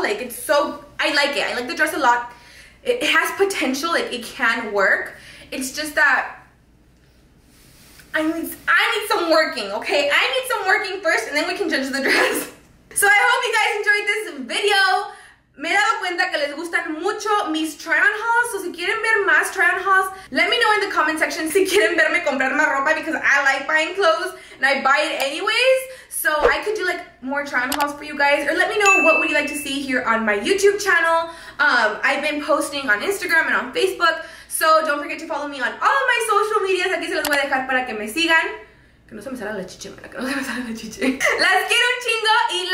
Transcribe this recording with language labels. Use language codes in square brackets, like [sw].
[en] Like, it's so, I like it. I like the dress a lot. It has potential, like it can work. It's just that I need some working, okay? I need some working first and then we can judge the dress. So I hope you guys enjoyed this video. [es] Me he dado cuenta que les gustan mucho mis try-on hauls. [en] So [es] si quieren ver más try-on hauls, [en] let me know in the comment section [es] si quieren verme comprar más ropa [en] because I like buying clothes and I buy it anyways. So I could do like more try-on hauls for you guys, or let me know what would you like to see here on my YouTube channel. I've been posting on Instagram and on Facebook, so don't forget to follow me on all of my social medias. [es] Aquí se los voy a dejar para que me sigan. Que no se me salga la chiche, para que no se me salga la chiche. Las quiero un chingo